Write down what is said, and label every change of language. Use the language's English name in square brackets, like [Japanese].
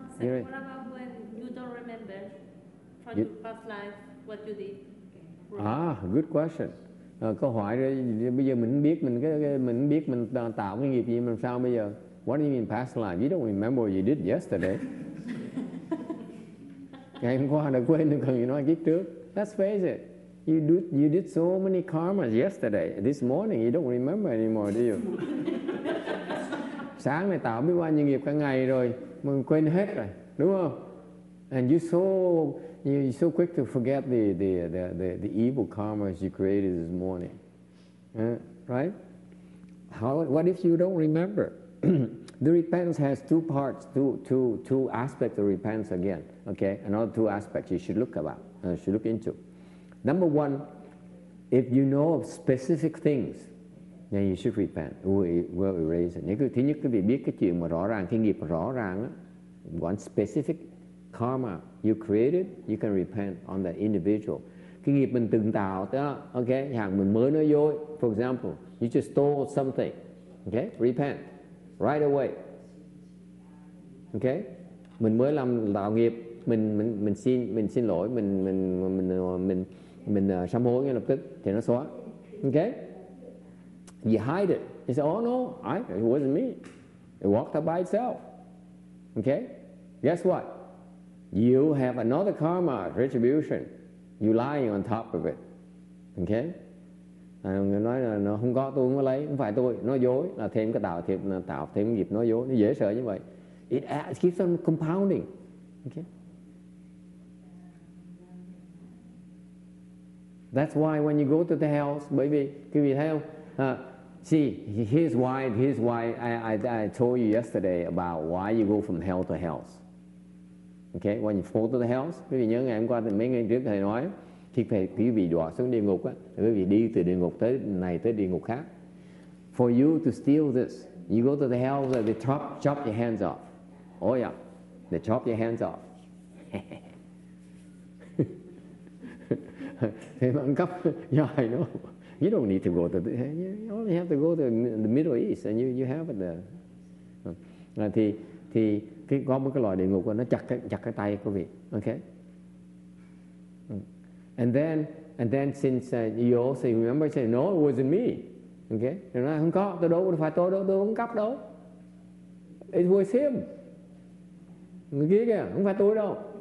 [English] What about when you don't remember from your past life what you did? Good question. [Vietnamese] Câu hỏi rồi, bây giờ mình biết mình tạo cái nghiệp gì, làm sao bây giờ? [English] What do you mean past life? You don't remember what you did yesterday. [Vietnamese] Ngày hôm qua đã quên, còn gì nói kiếp trước. [English] Let's face it. You did so many karmas yesterday. This morning, you don't remember anymore, do you? [Vietnamese] Sáng này tạo biết bao nhiêu nghiệp cả ngày rồi, mình quên hết rồi, đúng không? [English] And you're so quick to forget the evil karmas you created this morning, right? What if you don't remember? The repentance has two parts, two aspects of repentance again. Okay, another two aspects you should look about, should look into. Number one, if you know of specific things, then you should repent. We'll erase it. [Vietnamese] Thứ nhất, quý vị biết cái chuyện mà rõ ràng, cái nghiệp rõ ràng, [English] one specific karma you created, you can repent on that individual. [Vietnamese] Cái nghiệp mình từng tạo, đó, okay, hàng mình mới nói dối, [English] for example, you just stole something, okay, repent right away. [Vietnamese] Okay, mình mới làm tạo nghiệp, mình xin lỗi, mình sám hối ngay lập tức thì nó xóa. [English] Okay, you hide it. You say, oh no, it wasn't me. It walked up by itself. Okay, guess what? You have another karma retribution. You lying on top of it. [Vietnamese] Okay, người nói là nó không có, tôi không có lấy, không phải tôi, nó dối, là thêm cái tạo thiệp, tạo thêm nghiệp nó dối, nó dễ sợ như vậy. [English] It keeps on compounding. Okay. That's why when you go to the house, [Vietnamese] bởi vì quý vị thấy không? [English] Here's why I told you yesterday about why you go from hell to hell. Okay, when you fall to the hell, [Vietnamese] quý vị nhớ ngày hôm qua mấy ngày trước thầy nói, khi quý vị đọa xuống địa ngục, quý vị đi từ địa ngục tới này tới địa ngục khác. [English] For you to steal this, you go to the hell, they chop your hands off. Oh yeah, they chop your hands off. Yeah, I know. You don't need to go to the. You only have to go to the Middle East, and you have it there. [Vietnamese] Thì có một cái loại địa ngục nó chặt cái tay của vị. [English] Okay. And then since you also remember, say no, it wasn't me. Okay. [Vietnamese] Thì nói không có, tôi đâu phải tôi không cắp đâu. [English] It was him. [Vietnamese] Người kia kìa, không phải tôi đâu.